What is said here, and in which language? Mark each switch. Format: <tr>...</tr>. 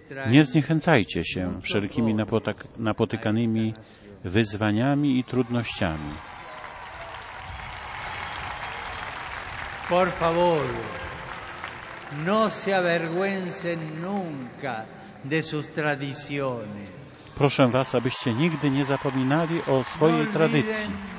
<pl>Nie zniechęcajcie się wszelkimi napotykanymi wyzwaniami i trudnościami.</pl> <es>Por favor, no se avergüencen nunca de sus tradiciones.</es> <pl>Proszę was, abyście nigdy nie zapominali o swojej tradycji.</pl>